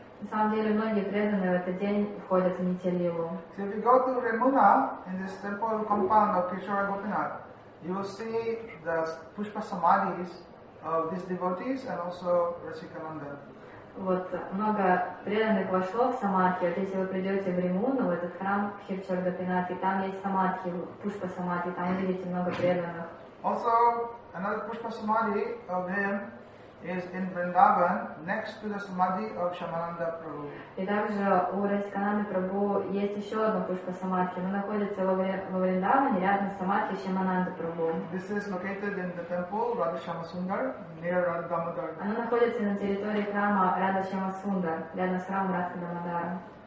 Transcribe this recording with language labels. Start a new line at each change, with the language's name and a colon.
Russian: На самом деле многие преданные в этот день входят в Нитялилу.
English: So if you go to Remuna in this temple compound of Kirchhora Gopinath, you will see the Pushpa Samadhis of these devotees and also Rasikananda.
Russian: Вот много преданных вошло в самадхи. Вот если вы придете в Римуну, в этот храм Кхирчор Гопинатхи, там есть самадхи, пушпа самадхи, там видите много преданных.
English: Also, another pushpa samadhi of him is in Vrindavan, next to the samadhi of Shamananda Prabhu.
Russian: И также у Расикананды Прабху есть еще одна пушпа самадхи. Она находится во Вриндаване, рядом с самадхи Шамананды Прабху.
English: This is located in the temple Radhishyama Sundar, near Radha Damodar.
Russian: Она находится на территории храма Радхишьяма Сундар, рядом с храмом Радха Дамодара.